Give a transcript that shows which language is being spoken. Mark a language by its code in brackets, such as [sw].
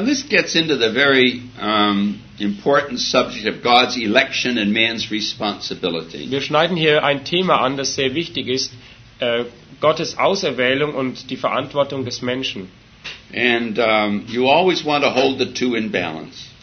[en] Well, this gets into the very important subject of God's election and man's responsibility. [de] Wir schneiden hier ein Thema an, das sehr wichtig ist, Gottes Auserwählung und die Verantwortung des Menschen. [en] And you always want to hold the two in balance.